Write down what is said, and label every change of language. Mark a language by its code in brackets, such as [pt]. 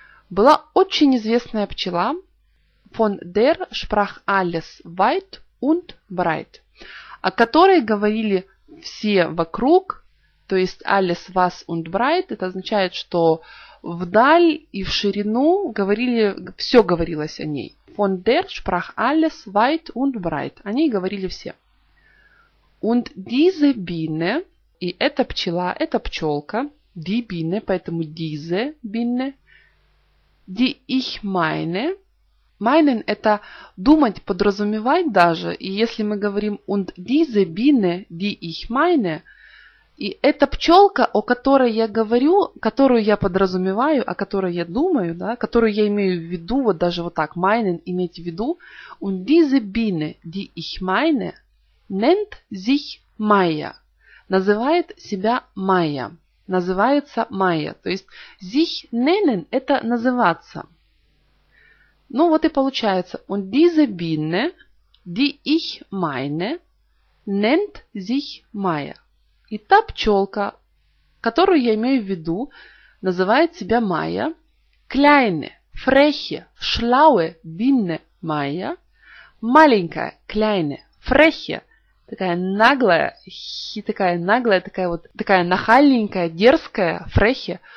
[ru] Была очень известная пчела, [de] von der sprach alles weit und breit, [ru] о которой говорили все вокруг, то есть [de] alles was und breit, [ru] это означает, что вдаль и в ширину говорили, все говорилось о ней. [de] Von der sprach alles weit und breit. [ru] О ней говорили все. [de] Und diese Biene, [ru] и эта пчела, эта пчелка, [de] die Biene, [ru] поэтому [de] diese Biene, die ich meine, meinen – [ru] это думать, подразумевать даже, и если мы говорим [de] und diese Biene, die ich meine, [ru] и эта пчелка, о которой я говорю, которую я подразумеваю, о которой я думаю, да, которую я имею в виду, вот даже вот так, [de] meinen [ru] – иметь в виду, [de] und diese Biene, die ich meine, nennt sich Maya, [ru] называет себя Maya, называется Maya, то есть [de] sich nennen [ru] – это называться. Ну вот и получается, [de] und diese Biene, die ich meine, nennt sich Maya. [ru] И та пчелка, которую я имею в виду, называет себя Maya, [de] kleine, freche, schlaue Biene Maya, [ru] маленькая, [de] kleine, freche, [ru] такая наглая, такая наглая, такая вот такая нахальненькая, дерзкая, фрехе.